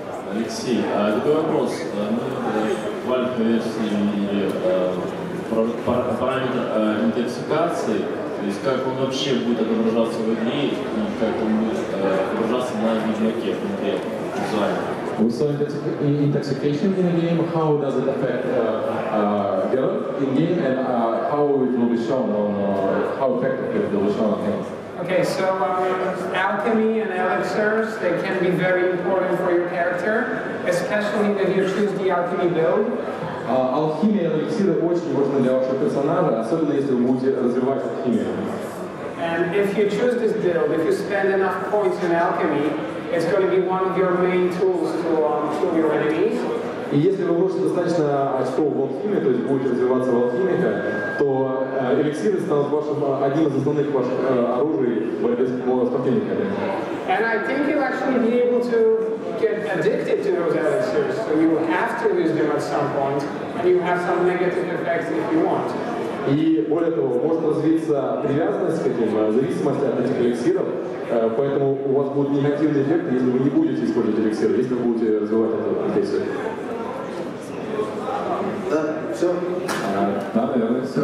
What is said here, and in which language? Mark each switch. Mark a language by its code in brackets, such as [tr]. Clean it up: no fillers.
[ru] Алексей, такой вопрос. Вальф, конечно, параметр интоксикации. То есть как он вообще будет отображаться в игре, и как он будет отображаться на видеоке конкретно, визуально? [en] We saw intoxication in the game. How does it affect Geralt in game, and how it will be shown on, how effective it will be shown on him? Okay, so alchemy and elixirs, they can be very important for your character, especially if you choose the alchemy build. [ru] Алхимия и эликсиры очень важны для вашего персонажа, особенно если вы будете развивать алхимию. [en] And if you choose this build, if you spend enough points in alchemy, it's going to be one of your main tools to kill your enemies. [ru] И если вы вложите достаточно очков в алхимию, то есть будете развиваться в алхимика, то эликсиры станут вашим одним из основных ваших оружий в борьбе с противниками. [en] And I think you'll actually be able to get addicted to those elixirs, so you have to use them at some point, and you have some negative effects if you want. [ru] И более того, может развиться привязанность к этим, зависимость от этих эликсиров, поэтому у вас будут негативные эффекты, если вы не будете использовать эликсиры, если вы будете развивать эту профессию. Все? Да, наверное, все.